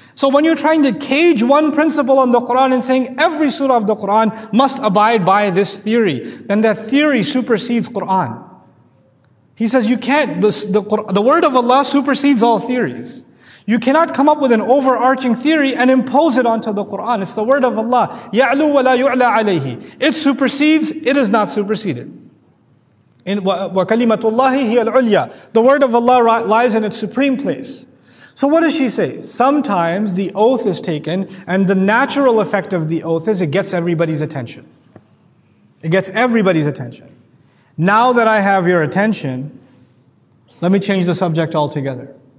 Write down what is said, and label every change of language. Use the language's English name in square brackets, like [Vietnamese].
[English] So when you're trying to cage one principle on the Quran and saying every surah of the Quran must abide by this theory, then that theory supersedes Quran. He says you can't, the word of Allah supersedes all theories. You cannot come up with an overarching theory and impose it onto the Quran. It's the word of Allah. [Arabic] يَعْلُوْ وَلَا يُعْلَىٰ عَلَيْهِ. [English] It supersedes, it is not superseded. [Arabic] In وَكَلِمَةُ اللَّهِ هِيَ الْعُلْيَا. [English] The word of Allah lies in its supreme place. So what does she say? Sometimes the oath is taken, and the natural effect of the oath is it gets everybody's attention. It gets everybody's attention. Now that I have your attention, let me change the subject altogether.